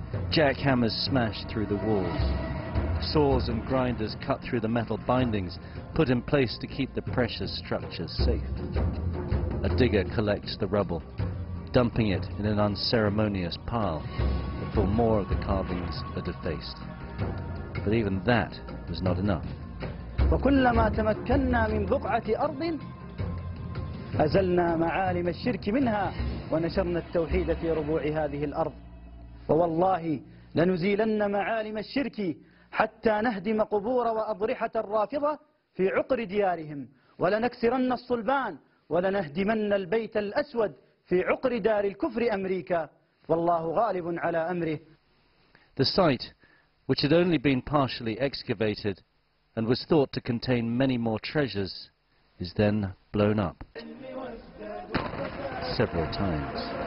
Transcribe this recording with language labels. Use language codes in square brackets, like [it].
[en] Jackhammers smashed through the walls. Saws and grinders cut through the metal bindings put in place to keep the precious structures safe. A digger collects the rubble, dumping it in an unceremonious pile before more of the carvings are defaced. But even that was not enough. [ar] وكلما تمكنا من بقعة أرض أزلنا معالم الشرك منها ونشرنا التوحيد في ربوع هذه الأرض ووالله لنزيلن معالم الشرك حتى نهدم قبور وأضرحة الرافضة في عقر ديارهم ولنكسرن الصلبان ولنهدمن البيت الأسود في عقر دار الكفر أمريكا والله غالب على أمره. [en] The site, which had only been partially excavated and was thought to contain many more treasures, is then blown up several times.